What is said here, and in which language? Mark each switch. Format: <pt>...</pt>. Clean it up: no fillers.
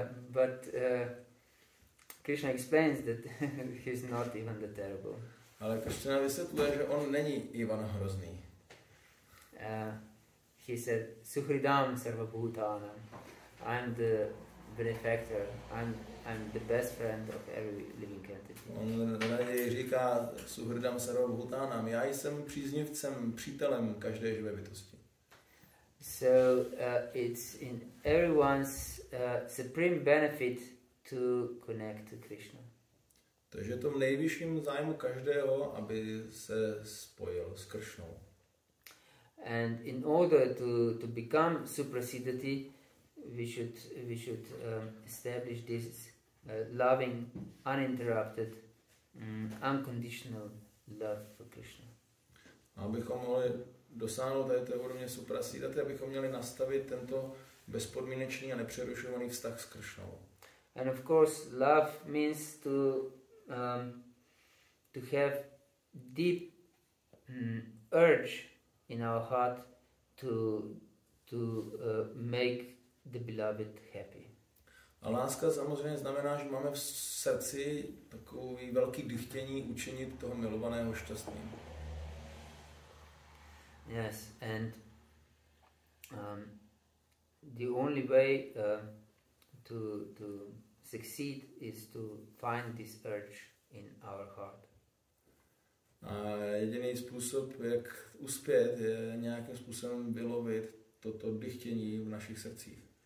<en>But Krishna explains that he's not Ivan the Terrible.</en> <cs>Ale Krishna vysvětluje, že on není Ivan Hrozný.</cs> <en>He said,</en> <sa>Suhridam Sarvabhutana.</sa> <en>I'm the benefactor. I'm the best friend of every living entity.</en> <cs>On raději říká,</cs> <sa>Suhridam Sarvabhutana.</sa> <cs>Já jsem příznivcem, přítelem každé živé bytosti.</cs> <en>So it's in everyone's supreme benefit to connect to Krishna.</en> <cs>Takže to v nejvyšším zájmu každého, aby se spojil s Kršnou.</cs> <en>And in order to become supersedity, we should establish this loving, uninterrupted, unconditional love for Krishna.</en> <cs>Abychom mohli dosáhnout tady té úrovně suprasídaty, abychom měli nastavit tento bezpodmínečný a nepřerušovaný vztah s Kršnou.</cs> <en>And of course, love means to have deep urge in our heart to make the beloved happy.</en> <cs>A láska samozřejmě znamená, že máme v srdci takový velký dychtění učinit toho milovaného šťastným.</cs> <en>Yes, and the only way to succeed is to find this urge in our heart.</en> <cs>A jediný způsob, jak uspět, je nějakým způsobem vylovit toto dychtění v našich srdcích.</cs>